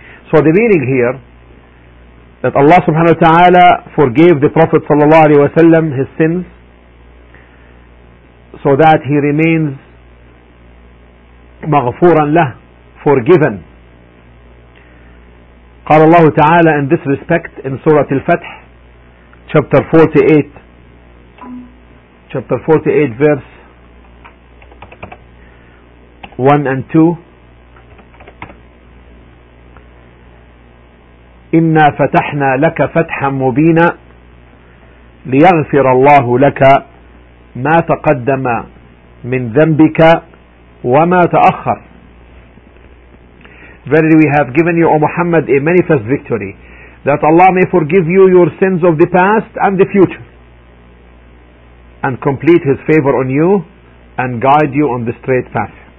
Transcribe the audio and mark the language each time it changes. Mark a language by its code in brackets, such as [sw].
[en] So the meaning here, that Allah subhanahu wa ta'ala forgave the Prophet sallallahu alayhi wa sallam his sins, so that he remains maghfuran lah, forgiven. [ar] قال الله تعالى [en] in this respect in Surah Al-Fath, chapter 48 verse 1 and 2, [ar] إنا فتحنا لك فتحا مبينا ليغفر الله لك ما تقدم من ذنبك وما تأخر. [en] Verily, we have given you, O Muhammad, a manifest victory, that Allah may forgive you your sins of the past and the future, and complete His favor on you, and guide you on the straight path.